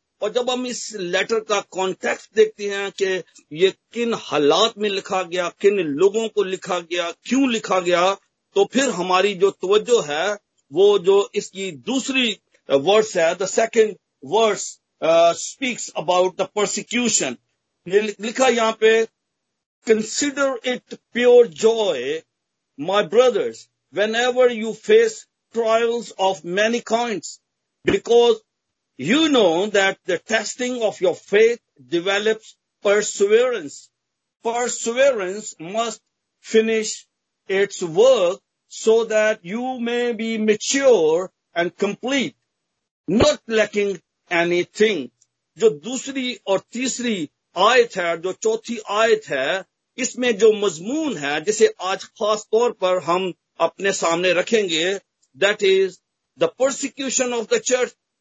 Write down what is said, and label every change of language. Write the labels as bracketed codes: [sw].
[ur] اور جب ہم اس لیٹر کا کانٹیکسٹ دیکھتے ہیں کہ یہ کن حالات میں لکھا گیا, کن لوگوں کو لکھا گیا, کیوں لکھا گیا, تو پھر ہماری جو توجہ ہے وہ جو اس کی دوسری ورس ہے, [en] The second verse speaks about the persecution. [ur] یہ لکھا یہاں پہ [en] Consider it pure joy my brothers whenever you face trials of many kinds, because you know that the testing of your faith develops perseverance. Perseverance must finish its work so that you may be mature and complete, not lacking anything. [ur] جو دوسری اور تیسری آیت ہے, جو چوتھی آیت ہے, اس میں جو مضمون ہے جسے آج خاص طور پر ہم اپنے سامنے رکھیں گے, [en] that is the persecution of the church.